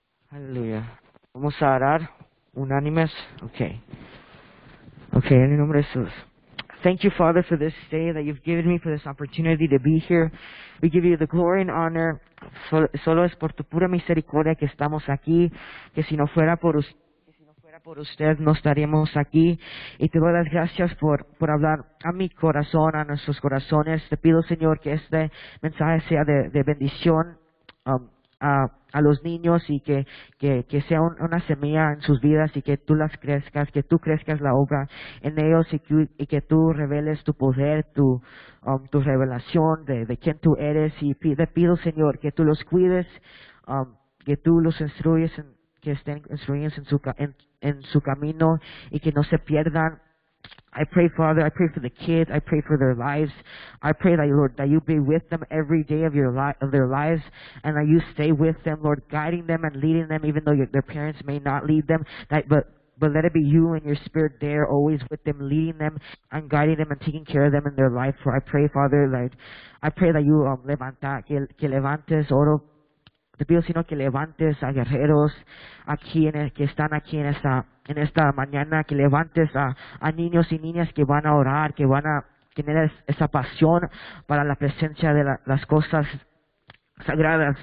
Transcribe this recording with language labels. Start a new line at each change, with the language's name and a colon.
Spanish: Aleluya. Vamos a orar. Unánimes. Okay. Okay, en el nombre de Jesús.
English: Thank you, Father, for this day that you've given me, for this opportunity to be here. We give you the glory and honor.
Spanish: Solo es por tu pura misericordia que estamos aquí, que si no fuera por usted, por usted no estaríamos aquí. Y te doy las gracias por hablar a mi corazón, a nuestros corazones. Te pido, Señor, que este mensaje sea de bendición a los niños, y que sea una semilla en sus vidas, y que tú las crezcas, que tú crezcas la obra en ellos, y que tú reveles tu poder, tu revelación de quién tú eres. Y te pido, Señor, que tú los cuides, que tú los instruyes, que estén instruidos en su camino, y que no se pierdan.
English: I pray, Father, I pray for the kids, I pray for their lives. I pray that, Lord, that you be with them every day of their lives, and that you stay with them, Lord, guiding them and leading them, even though their parents may not lead them, but let it be you and your Spirit there always with them, leading them and guiding them and taking care of them in their life. For I pray, Father, I pray that you
Spanish: levanta, que levantes oro. Te pido, sino que levantes a guerreros aquí que están aquí en esta en esta mañana que levantes a niños y niñas que van a orar, que van a tener esa pasión para la presencia de las cosas sagradas.